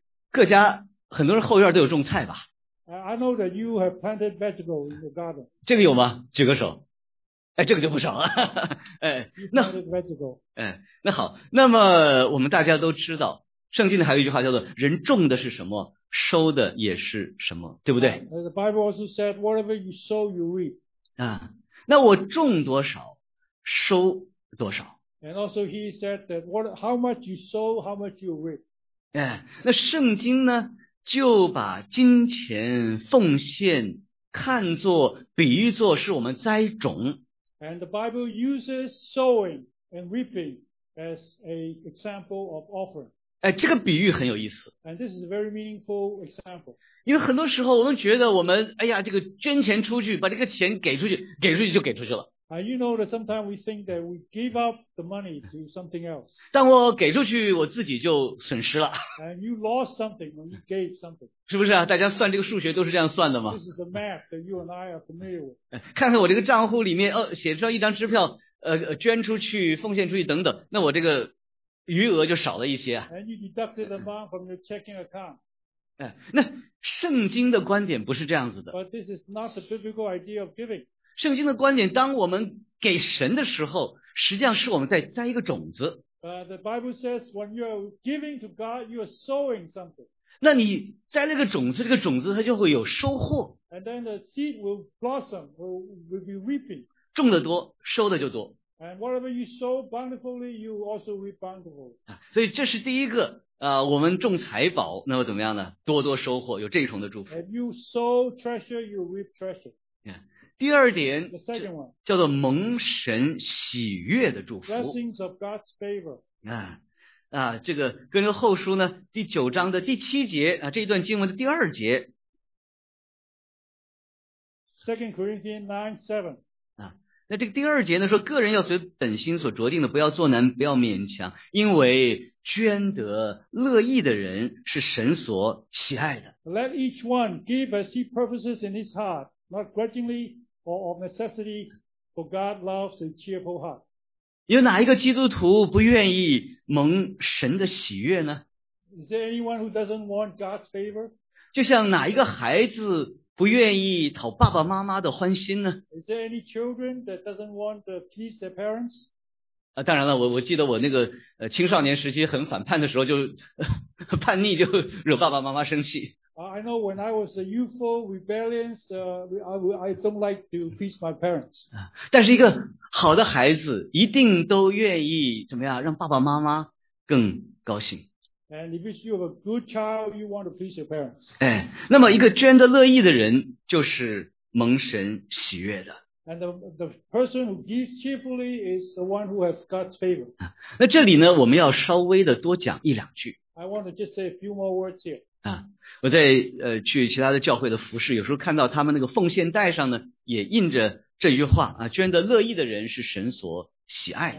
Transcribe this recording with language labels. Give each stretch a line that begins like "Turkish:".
Chinese: 各家很多人后院都有种菜吧
English: I know that you have planted vegetables in the garden
Chinese: 这个有吗举个手哎，这个就不少啊！哎，那好，那么我们大家都知道，圣经里还有一句话叫做“人种的是什么，收的也是什么”，对不对
English: ？The Bible also said, "Whatever you sow, you reap."
Chinese: 啊，那我种多少，收多少
English: ？And also he said that what how much you sow, how much you reap.
Chinese: 哎，那圣经呢，就把金钱奉献看作比喻作是我们栽种。
English: And the Bible uses sowing and reaping as an example of offering.
Chinese: 哎，这个比喻很有意思。
English: And this is a very meaningful example.
Chinese: 因为很多时候我们觉得我们，哎呀，这个捐钱出去，把这个钱给出去，给出去就给出去了。
English: You know that sometimes we think that we give up the money to something else.
Chinese: 但我给出去，我自己就损失了。
English: And you lost something when you gave something.
Chinese: 是不是啊？大家算这个数学都是这样算的吗
English: ？This is a math that you and I are familiar with.
Chinese: 看看我这个账户里面，写上一张支票，捐出去、奉献出去等等，那我这个余额就少了一些。
English: And you deducted the amount from your checking account.
Chinese: 那圣经的观点不是这样子的。
English: But this is not the biblical idea of giving.
Chinese: 圣经的观点，当我们给神的时候，实际上是我们在栽一个种子。
English: The Bible says when you are giving to God, you are sowing something.
Chinese: 那你在那个种子，这个种子它就会有收获。
English: And then the seed will blossom, will be reaping.
Chinese: 种的多，收的就多。
English: And whatever you sow bountifully, you also reap bountifully.
Chinese: 所以这是第一个。我们种财宝，那么怎么样呢？多多收获，有这种的祝福。
English: If you sow treasure, you reap treasure.
Chinese: Yeah. 第二点
English: the second one,
Chinese: 叫做蒙神喜悦的祝福。
English: Blessings of God's favor.
Chinese: 这个跟着后书呢，第九章的第七节这一段经文的第二节。
English: Second Corinthians 9:7.
Chinese: 那这个第二节呢，说个人要随本心所酌定的，不要作难，不要勉强，因为捐得乐意的人是神所喜爱的。
English: Let each one give as he purposes in his heart, not grudgingly or of necessity, for God loves a cheerful heart.
Chinese: 有哪一个基督徒不愿意蒙神的喜悦呢？
English: Is there anyone who doesn't want God's favor?
Chinese: 就像哪一个孩子不愿意讨爸爸妈妈的欢心呢？
English: Is there any children that doesn't want to please their parents?
Chinese: 当然了，我记得我那个青少年时期很反叛的时候，就叛逆就惹爸爸妈妈生气。
English: I know when I was a youthful rebellious, I don't like to please my parents.
Chinese: 但是一个好的孩子一定都愿意怎么样让爸爸妈妈更高兴。
English: And if you have a good child, you want to please your parents.
Chinese: 那么一个捐得乐意的人就是蒙神喜悦的。
English: And the person who gives cheerfully is the one who has God's favor.
Chinese: 那这里呢，我们要稍微的多讲一两句。
English: I want to just say a few more words here.
Chinese: 我在去其他的教会的服事，有时候看到他们那个奉献袋上呢，也印着这句话捐得乐意的人是神所喜爱。